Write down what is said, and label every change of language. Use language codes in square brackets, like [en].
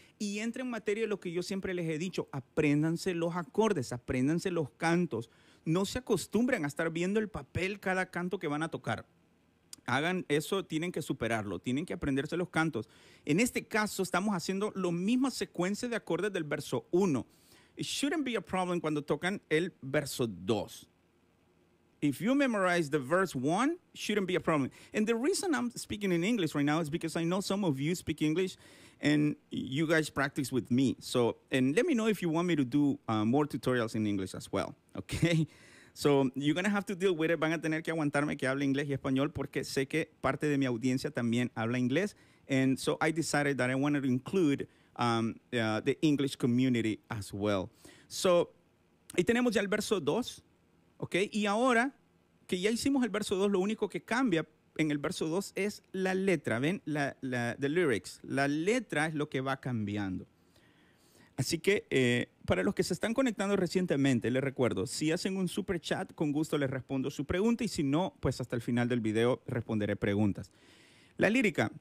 [es] Y entra en materia lo que yo siempre les he dicho. Apréndanse los acordes, apréndanse los cantos. No se acostumbren a estar viendo el papel cada canto que van a tocar. Hagan eso, tienen que superarlo, tienen que aprenderse los cantos. En este caso, estamos haciendo la misma secuencia de acordes del verso 1. [en] It shouldn't be a problem [es] cuando tocan el verso 2. [en] If you memorize the verse 1, shouldn't be a problem. And the reason I'm speaking in English right now is because I know some of you speak English and you guys practice with me. So, and let me know if you want me to do more tutorials in English as well. Okay, so you're going to have to deal with it. [es] Van a tener que aguantarme que hable inglés y español porque sé que parte de mi audiencia también habla inglés. [en] And so I decided that I wanted to include the English community as well. [es] So, ahí tenemos ya el verso 2, okay? Y ahora que ya hicimos el verso 2, lo único que cambia en el verso 2 es la letra, ¿ven? [en] The lyrics. [es] La letra es lo que va cambiando. Así que para los que se están conectando recientemente, les recuerdo, si hacen un super chat, con gusto les respondo su pregunta y si no, pues hasta el final del video responderé preguntas. La lírica.